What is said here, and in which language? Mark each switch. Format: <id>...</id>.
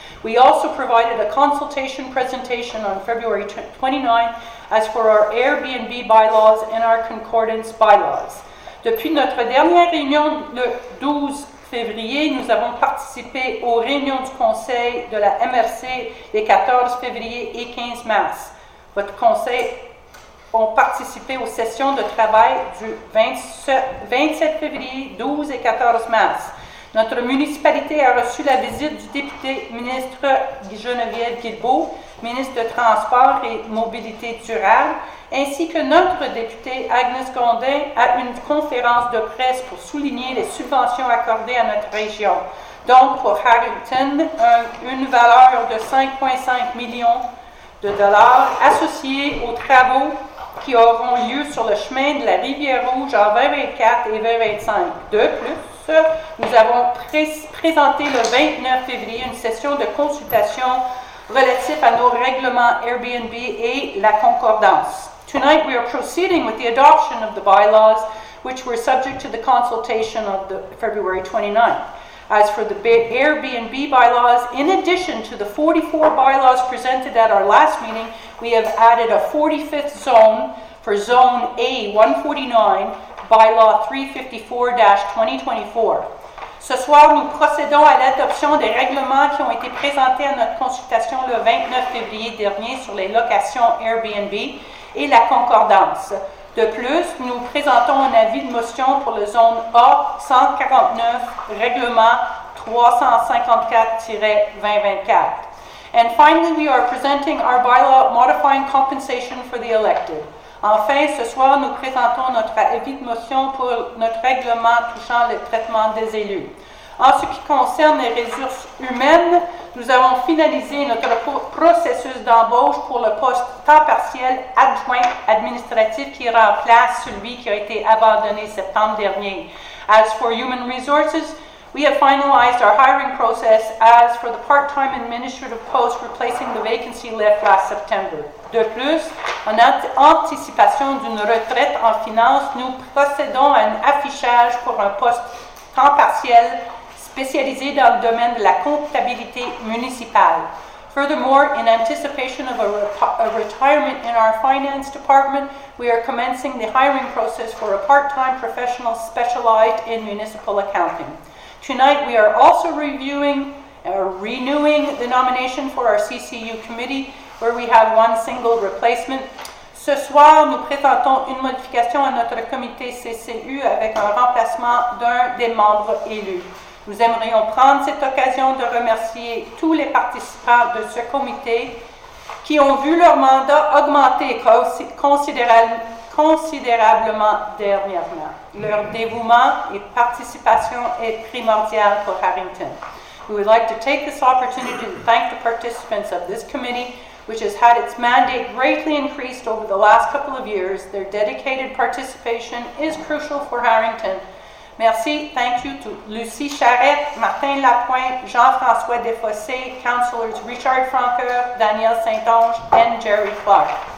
<en>We also provided a consultation presentation on February 29th as for our Airbnb bylaws and our concordance bylaws.</en> <fr>Depuis notre dernière réunion le 12 février, nous avons participé aux réunions du conseil de la MRC les 14 février et 15 mars. Votre conseil ont participé aux sessions de travail du 27 février, 12 et 14 mars. Notre municipalité a reçu la visite du député ministre Geneviève Guilbeault, ministre de Transport et Mobilité Durable, ainsi que notre député Agnès Condé à une conférence de presse pour souligner les subventions accordées à notre région. Donc, pour Harrington, une valeur de 5,5 millions de dollars associée aux travaux qui auront lieu sur le chemin de la Rivière Rouge en 2024 et 2025. De plus, nous avons présenté le 29 février une session de consultation relative à nos règlements Airbnb et la concordance.</fr> <en>Tonight we are proceeding with the adoption of the bylaws which were subject to the consultation of the February 29th. As for the Airbnb bylaws, in addition to the 44 bylaws presented at our last meeting, we have added a 45th zone for Zone A-149, Bylaw 354-2024.</en> <fr>Ce soir, nous procédons à l'adoption des règlements qui ont été présentés à notre consultation le 29 février dernier sur les locations Airbnb et la concordance. De plus, nous présentons un avis de motion pour le zone A-149, règlement 354-2024.</fr> <en>And finally, we are presenting our bylaw modifying compensation for the elected.</en> <fr>Enfin, ce soir, nous présentons notre avis de motion pour notre règlement touchant le traitement des élus. En ce qui concerne les ressources humaines, nous avons finalisé notre processus d'embauche pour le poste temps partiel adjoint administratif qui remplace celui qui a été abandonné septembre dernier.</fr> <en>As for human resources, we have finalized our hiring process as for the part-time administrative post replacing the vacancy left last September.</en> <fr>De plus, en anticipation d'une retraite en finance, nous procédons à un affichage pour un poste temps partiel spécialisé dans le domaine de la comptabilité municipale.</fr> <en>Furthermore, in anticipation of a retirement in our finance department, we are commencing the hiring process for a part-time professional specialized in municipal accounting. Tonight, we are also reviewing renewing the nomination for our CCU committee, where we have one single replacement.</en> <fr>Ce soir, nous présentons une modification à notre comité CCU avec un remplacement d'un des membres élus. Nous aimerions prendre cette occasion de remercier tous les participants de ce comité qui ont vu leur mandat augmenter considérablement dernièrement. Leur dévouement et participation est primordial pour Harrington.</fr> <en>We would like to take this opportunity to thank the participants of this committee, which has had its mandate greatly increased over the last couple of years. Their dedicated participation is crucial for Harrington.</en> <fr>Merci,</fr> <en>thank you to Lucie Charette, Martin Lapointe, Jean-François Desfossés, Councillors Richard Francoeur, Daniel Saint-Onge, and Jerry Clark.</en>